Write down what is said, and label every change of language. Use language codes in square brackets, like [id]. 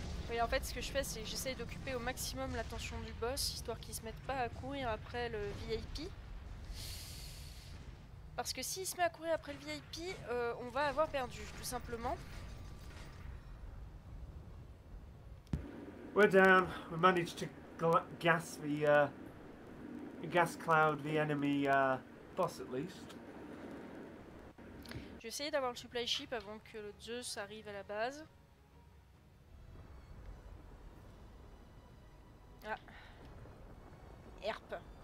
[fr] Oui, en fait ce que je fais c'est que j'essaye d'occuper au maximum l'attention du boss, histoire qu'il se mette pas à courir après le VIP. Parce que s'il se met à courir après le VIP, on va avoir perdu, tout simplement. [en] We're down. We managed to gas the gas cloud the enemy boss at least. [fr] Je vais essayer d'avoir le supply ship avant que le Zeus arrive à la base. Ah. Herp.